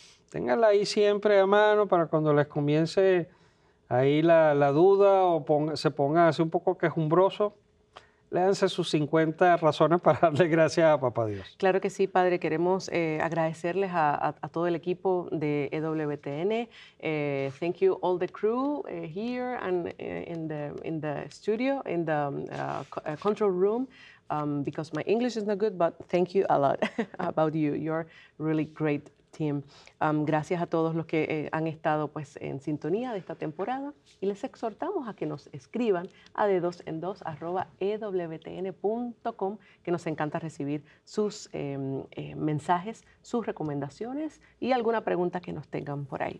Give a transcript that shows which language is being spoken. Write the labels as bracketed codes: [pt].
[es] Téngala ahí siempre a mano para cuando les comience ahí la duda o se ponga así un poco quejumbroso. Léanse sus 50 razones para darle gracias a Papá Dios. Claro que sí, padre. Queremos agradecerles a todo el equipo de EWTN. [en] Thank you all the crew here and in the studio, in the control room, because my English is not good, but thank you a lot about you. You're really great team. [es] Gracias a todos los que han estado pues en sintonía de esta temporada y les exhortamos a que nos escriban a dedosendos@ewtn.com, que nos encanta recibir sus mensajes, sus recomendaciones y alguna pregunta que nos tengan por ahí.